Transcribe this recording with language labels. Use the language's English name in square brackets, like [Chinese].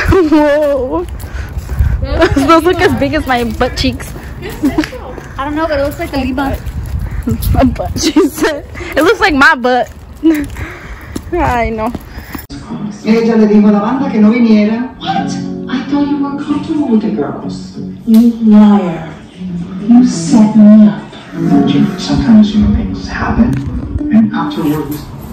[English] Whoa. Those look as big as my butt cheeks. I don't know, but it looks like a Libra. My butt, she said. It looks like my butt. [Spanish] Ay, no. Ella le dijo a la banda que no viniera. [English] What? I thought you were comfortable with the girls. You liar. You set me up. Sometimes human things happen, and afterwards.